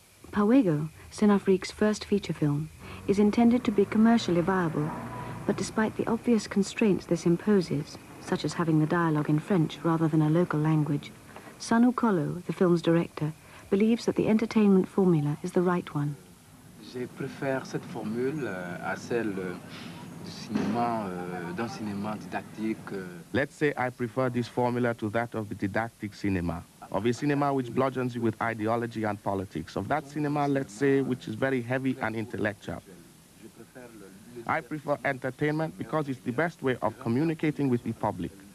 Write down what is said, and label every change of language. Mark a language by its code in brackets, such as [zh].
[en] Pawego, Cinafrique's first feature film, is intended to be commercially viable, but despite the obvious constraints this imposes, such as having the dialogue in French rather than a local language, Sanu Kolo, the film's director, believes that the entertainment formula is the right one. [fr] Je préfère cette formule à celle cinéma didactique. [en] Let's say I prefer this formula to that of the didactic cinema, of a cinema which bludgeons you with ideology and politics, of that cinema, let's say, which is very heavy and intellectual. I prefer entertainment because it's the best way of communicating with the public.